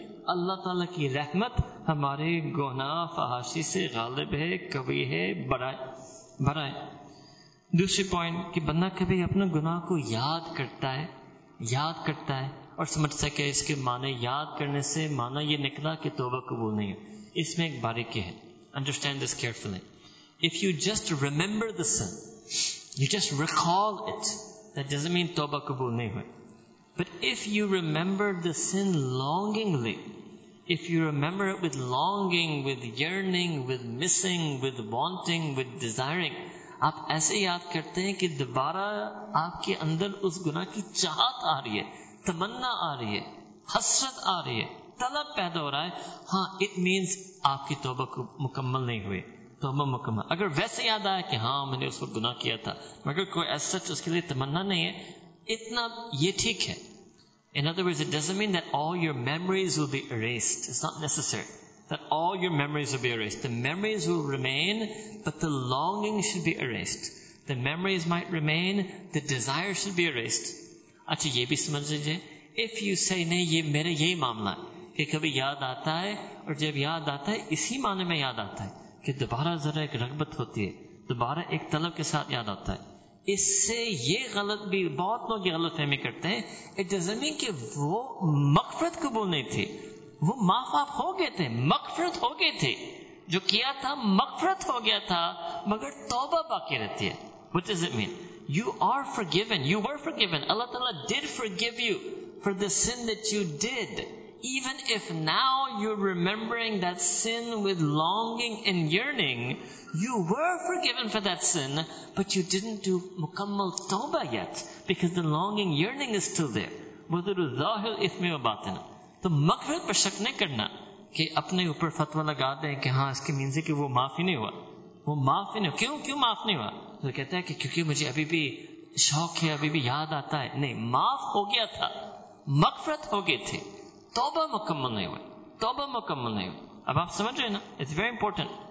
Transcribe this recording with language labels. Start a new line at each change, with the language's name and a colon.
Urdu: اللہ تعالیٰ کی رحمت ہمارے گناہ فحاشی سے غالب ہے, قوی ہے, بڑا ہے. دوسری پوائنٹ کہ بندہ کبھی اپنے گناہ کو یاد کرتا ہے اور سمجھتا ہے کہ اس کے معنی یاد کرنے سے معنی یہ نکلا کہ توبہ قبول نہیں ہے. اس میں ایک باریکی ہے,
English: Understand this carefully. If you just remember the sin, you just recall it, that doesn't mean
Urdu: توبہ قبول نہیں ہوئے.
English: But if you remember the sin longingly, if you remember it with longing, with yearning, with missing, with wanting, with desiring,
Urdu: آپ ایسے یاد کرتے ہیں کہ دوبارہ آپ کے اندر اس گناہ کی چاہت آ رہی ہے, تمنا آ رہی ہے, حسرت آ رہی ہے, طلب پیدا ہو رہا ہے, ہاں,
English: it means
Urdu: آپ کی توبہ مکمل نہیں ہوئی. توبہ مکمل اگر ویسے یاد آیا کہ ہاں میں نے اس وقت گناہ کیا تھا مگر کوئی
English: as such
Urdu: اس کے لیے تمنا نہیں ہے, اتنا یہ ٹھیک ہے.
English: In other words, it doesn't mean that all your memories will be erased. It's not necessary that all your memories will be erased. The memories will remain, but the longing should be erased. The memories might remain, the desire should be erased.
Urdu: اچھا یہ بھی سمجھ لیجیے,
English: if you say
Urdu: نہیں یہ میرا یہی معاملہ ہے کہ کبھی یاد آتا ہے, اور جب یاد آتا ہے اسی معنی میں یاد آتا ہے کہ دوبارہ ذرا ایک رغبت ہوتی ہے, دوبارہ ایک طلب کے ساتھ یاد آتا ہے. اس سے یہ غلط بھی بہت لوگ یہ غلط فہمی کرتے ہیں,
English: it doesn't mean
Urdu: کہ وہ مغفرت قبول نہیں تھی, وہ معاف ہو گئے تھے, مغفرت ہو گئے تھے, جو کیا تھا مغفرت ہو گیا تھا, مگر توبہ باقی رہتی ہے.
English: what does it mean, you are forgiven, you were forgiven, Allah تعالیٰ did forgive you for the sin that you did, Even if now you're remembering that sin with longing and yearning, you were forgiven for that sin, but you didn't do
Urdu: mukammal tawbah
English: yet, because the longing yearning is still there.
Arabic: وَذُرُ ظَاهِرُ اِثْمِ وَبَاطِنَ
Urdu: تو مقرد پر شک نہیں کرنا کہ اپنے اوپر فتوہ لگا دیں کہ ہاں اس کے مینز ہے کہ وہ معاف ہی نہیں ہوا وہ معاف ہی نہیں ہوا کیوں معاف نہیں ہوا تو کہتا ہے کہ کیونکہ مجھے ابھی بھی شوق ہے ابھی بھی یاد آتا ہے نہیں معاف ہو گیا تھا مغفرت ہو گئی تھی توبہ مکمل نہیں ہوئی اب آپ سمجھ رہے ہیں نا
English: it's very important